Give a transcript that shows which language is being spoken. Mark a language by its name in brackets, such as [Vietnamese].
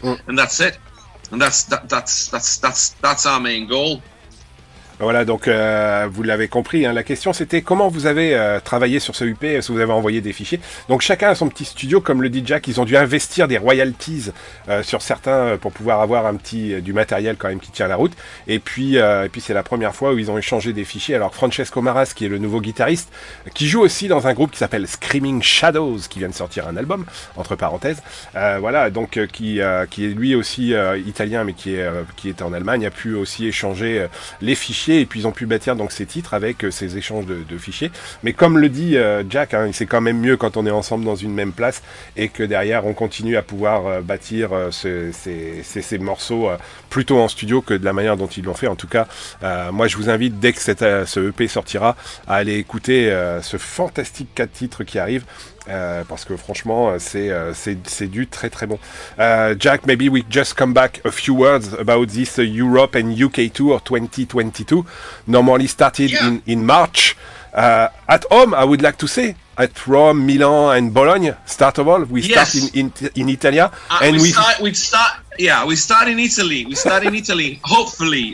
[English] And that's it, and that's our main goal. [French] Voilà, donc vous l'avez compris, hein, la question c'était comment vous avez travaillé sur ce UP, si vous avez envoyé des fichiers. Donc chacun a son petit studio, comme le dit Jack, ils ont dû investir des royalties sur certains pour pouvoir avoir un petit du matériel quand même qui tient la route. Et puis c'est la première fois où ils ont échangé des fichiers. Alors Francesco Maras, qui est le nouveau guitariste, qui joue aussi dans un groupe qui s'appelle Screaming Shadows, qui vient de sortir un album, entre parenthèses, qui est lui aussi italien, mais qui est en Allemagne, a pu aussi échanger les fichiers. Et puis ils ont pu bâtir donc ces titres avec ces échanges de fichiers. Mais comme le dit Jack, hein, c'est quand même mieux quand on est ensemble dans une même place et que derrière on continue à pouvoir bâtir ces morceaux plutôt en studio que de la manière dont ils l'ont fait. En tout cas, moi je vous invite, dès que ce EP sortira, à aller écouter ce fantastique 4 titres qui arrive. Parce que franchement, c'est du très très bon. [English] Jack, maybe we just come back a few words about this Europe and UK tour 2022. Normally started in March. At home, I would like to say, at Rome, Milan and Bologna, start of all, we start in Italia. We start in Italy, hopefully.